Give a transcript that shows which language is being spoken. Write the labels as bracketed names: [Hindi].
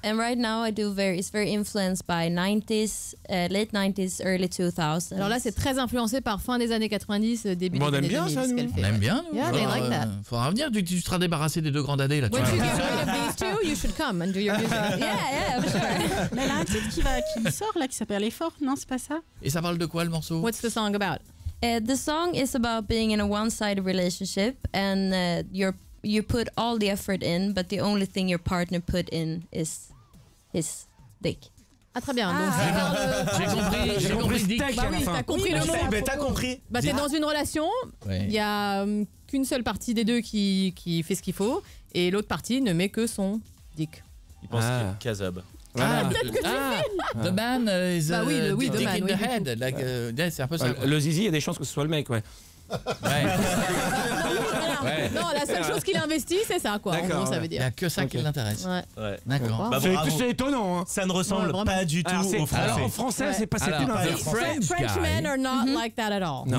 [English] And right now, it's very influenced by 90s, late 90s, early 2000s. [French] Alors là, c'est très influencé par fin des années 90, début des années 2000. On aime bien ça, nous. [English] Yeah, they like that. [French] Faudra venir, tu seras débarrassé des deux grandes années, là. [English] When you get rid of these two, you should come and do your music. Yeah, I'm sure. [French] Mais là, un titre qui sort, là, qui s'appelle Effort, non, c'est pas ça? Et ça parle de quoi, le morceau? [English] What's the song about? The song is about being in a one-sided relationship and you put all the effort in, but the only thing your partner put in is his dick. [French] Ah, très bien. Ah. Donc, j'ai compris ce dick. Bah oui, t'as compris le mot. Mais t'as compris. Bah, t'es dans une relation, il y a qu'une seule partie des deux qui fait ce qu'il faut et l'autre partie ne met que son dick. Il pense qu'il y a une kazab. [English] The man is digging the head. Like, yeah, [French] c'est un peu ça. Le zizi, il y a des chances que ce soit le mec, ouais. Ouais. Non, la seule chose qu'il investit, c'est ça, quoi. D'accord, en gros, ça veut dire. Il n'y a que ça qui l'intéresse. Ouais. D'accord. Bah, c'est étonnant, hein. Ça ne ressemble pas du tout au français. Alors, en français, c'est pas cette image. [English] French men are not like that at all.